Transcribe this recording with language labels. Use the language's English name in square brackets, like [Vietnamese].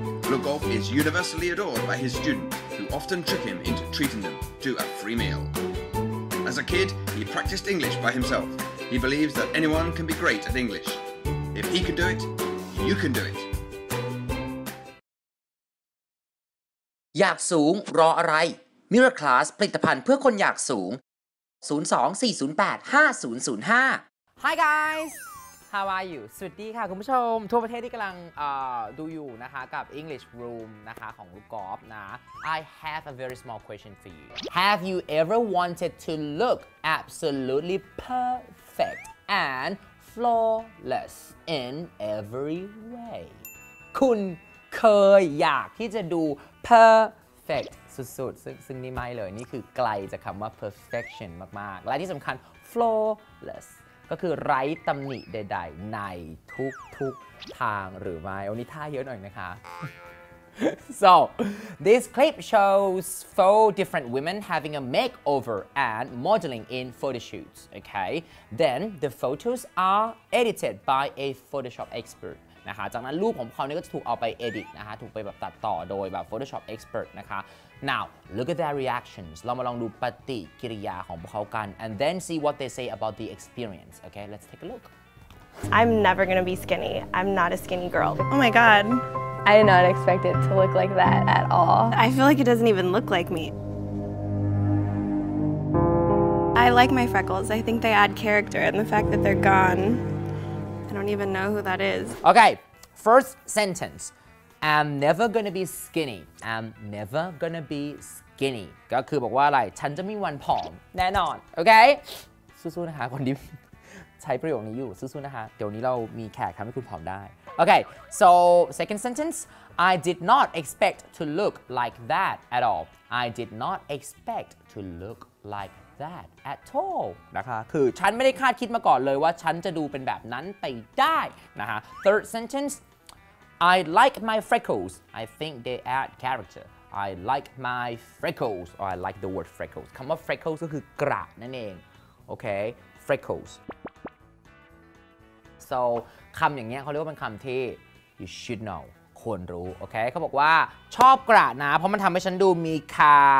[English] Loukgolf is universally adored by his students, who often trick him into treating them to a free meal. As a kid, he practiced English by himself. He believes that anyone can be great at English. If he can do it, you can do it. [Thai] อยากสูงรออะไร Miraclas ผลิตภัณฑ์เพื่อคนอยากสูง 02-408-5005 [English] Hi guys! How are you? [Thai] สวัสดีค่ะคุณผู้ชมทั่วประเทศที่กำลังดูอยู่นะคะกับ English Room นะคะของLoukgolfนะ [English] I have a very small question for you. Have you ever wanted to look absolutely perfect and flawless in every way? [Thai] คุณเคยอยากที่จะดู perfect สุดๆซึ่งนี่ไม่เลยนี่คือไกลจากคำว่า perfection มากๆและที่สำคัญ flawlessก็คือไร้ตำหนิใดๆในทุกทางหรือไม่อันนี้ท่าเยอะหน่อยนะคะ [English] So this clip shows four different women having a makeover and modeling in photoshoots okay then the photos are edited by a Photoshop expert [Thai] นะคะจากนั้นรูปของเขานี่ก็จะถูกเอาไปเอดิตนะคะถูกไปแบบตัดต่อโดยแบบ [English] Photoshop expert นะคะ Now look at their reactions [Thai] เรามาลองดูปฏิกิริยาของพวกเขากัน [English] and then see what they say about the experience okay let's take a look I'm never gonna be skinny I'm not a skinny girl Oh my god I did not expect it to look like that at all I feel like it doesn't even look like me I like my freckles I think they add character and the fact that they're goneI don't even know who that is. Okay, first sentence. I'm never gonna be skinny. I'm never gonna be skinny. [Thai] ก็คือบอกว่าอะไรฉันจะไม่วันผอมแน่นอน Okay? สู้ๆนะคะคนที่ใช้ประโยคนี้อยู่สู้ๆนะคะเดี๋ยวนี้เรามีแขกทำให้คุณผอมได้ [English] Okay, so second sentence. I did not expect to look like that at all. I did not expect to look like that. That at all [Thai] นะคะคือฉันไม่ได้คาดคิดมาก่อนเลยว่าฉันจะดูเป็นแบบนั้นไปได้นะคะ [English] Third sentence I like my freckles I think they add character I like my freckles or I like the word freckles [Thai] คำว่า freckles ก็คือกระนั่นเองโอเค freckles so คำอย่างเงี้ยเขาเรียกว่าเป็นคำที่ [English] you should know [Thai] ควรรู้โอเคเขาบอกว่าชอบกระนะเพราะมันทำให้ฉันดูมีคา